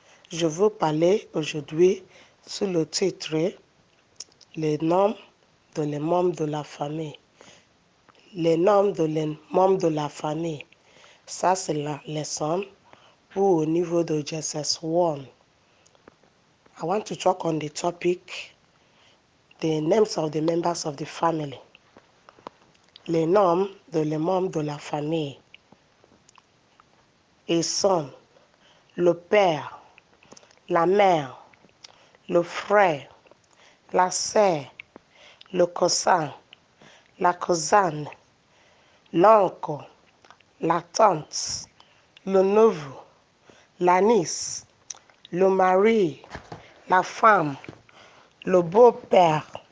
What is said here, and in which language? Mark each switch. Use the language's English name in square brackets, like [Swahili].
[French] Je veux parler aujourd'hui sous le titre Les noms de les membres de la famille. Les noms de les membres de la famille. Ça, c'est la leçon pour au niveau de GSS 1. [English] I want to talk on the topic. The names of the members of the family. [French] Les noms de les membres de la famille. Ils sont le père, la mère, le frère, la sœur, le cousin, la cousine, l'oncle, la tante, le neveu, la nièce, le mari, la femme, le beau-père.